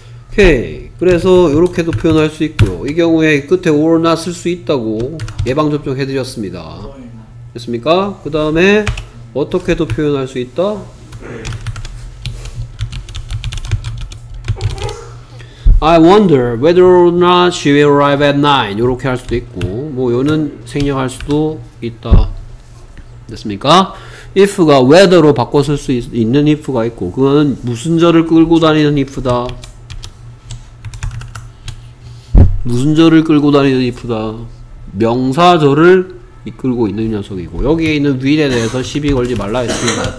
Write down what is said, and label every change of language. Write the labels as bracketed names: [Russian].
[Korean] 오케이. 그래서 이렇게도 표현할 수 있고요. 이 경우에 끝에 or not 쓸 수 있다고 예방접종 해드렸습니다. 됐습니까? 그 다음에 어떻게도 표현할 수 있다? 네. [English] I wonder whether or not she will arrive at 9. [Korean] 이렇게 할 수도 있고 뭐 요는 생략할 수도 있다. 됐습니까? if가 whether로 바꿔 쓸 수 있는 if가 있고 그거는 무슨 저를 끌고 다니는 if다. 무슨 저를 끌고 다니는 if다. 명사절을 이끌고 있는 녀석이고 여기에 있는 will에 대해서 시비 걸지 말라 했습니다.